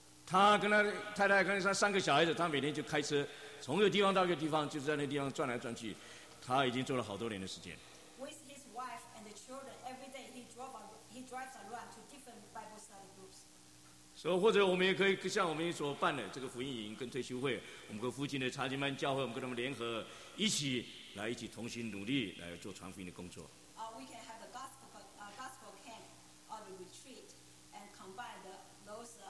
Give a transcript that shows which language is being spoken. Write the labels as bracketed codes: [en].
[zh] 他跟他太太跟他三个小孩子，他每天就开车从一个地方到一个地方，就是在那地方转来转去。他已经做了好多年的时间。 [en] With his wife and the children, every day he drives around to different Bible study groups. [zh] 所以或者我们也可以像我们所办的这个福音营跟退休会，我们跟附近的查经班教会，我们跟他们联合一起来，一起同心努力来做传福音的工作。 [en] We can have the gospel camp or the retreat and combine those.